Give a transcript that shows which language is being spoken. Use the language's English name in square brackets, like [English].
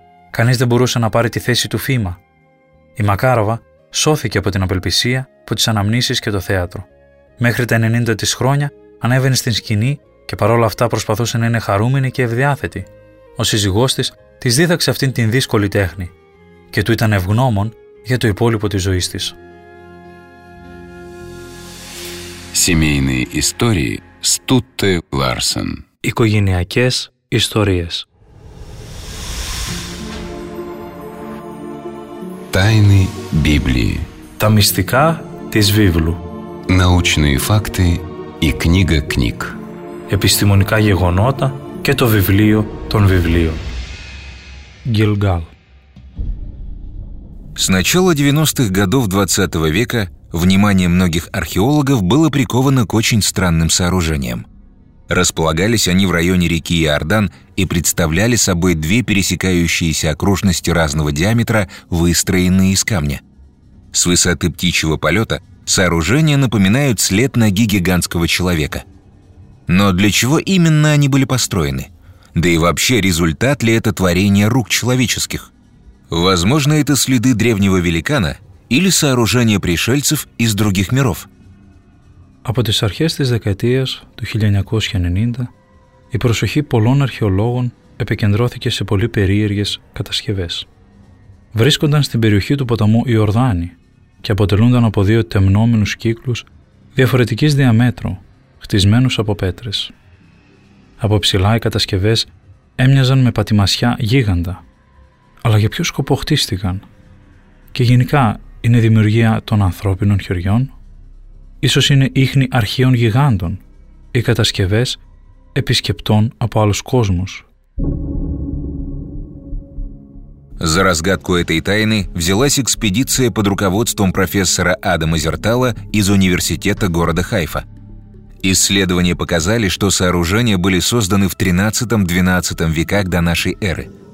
[Greek] Κανείς δεν μπορούσε να πάρει τη θέση του Φήμα. Η Μακάροβα σώθηκε από την απελπισία, από τις αναμνήσεις και το θέατρο. Μέχρι τα 90 της χρόνια ανέβαινε στην σκηνή και παρόλα αυτά προσπαθούσε να είναι χαρούμενη και ευδιάθετη. Ο σύζυγός της της δίδαξε αυτήν την δύσκολη τέχνη και του ήταν ευγνώμων για το υπόλοιπο της ζωής της. [Russian] Семейные истории Стутте Ларсен. [Greek] Οικογενειακές ιστορίες. [Russian] Тайны Библии. [Greek] Τα μυστικά της Βίβλου. [Russian] Научные факты и книга книг. [Greek] Επιστημονικά γεγονότα και το βιβλίο των βιβλίων. [Russian] Гильгал. С начала 90-х годов 20 века внимание многих археологов было приковано к очень странным сооружениям. Располагались они в районе реки Иордан и представляли собой две пересекающиеся окружности разного диаметра, выстроенные из камня. С высоты птичьего полета сооружения напоминают след ноги гигантского человека. Но для чего именно они были построены? Да и вообще, результат ли это творение рук человеческих? Возможно, это следы древнего великана или сооружения пришельцев из других миров. [Greek] Από τις αρχές της δεκαετίας του 1990, η προσοχή πολλών αρχαιολόγων επικεντρώθηκε σε πολύ περίεργες κατασκευές. Βρίσκονταν στην περιοχή του ποταμού Ιορδάνη και αποτελούνταν από δύο τεμνόμενους κύκλους διαφορετικής διαμέτρου, χτισμένους από πέτρες. Από ψηλά οι κατασκευές έμοιαζαν με πατημασιά γίγαντα. Αλλά για ποιο σκοπό χτίστηκαν? Και γενικά είναι δημιουργία των ανθρώπινων χεριών? Ίσως είναι ίχνη αρχαίων γιγάντων ή κατασκευές επισκεπτών από άλλους κόσμους. [Russian] За разгадку этой тайны взялась экспедиция под руководством профессора Адама Зертала из университета города Хайфа. Исследования показали, что сооружения были созданы в 13-12 веках до нашей эры.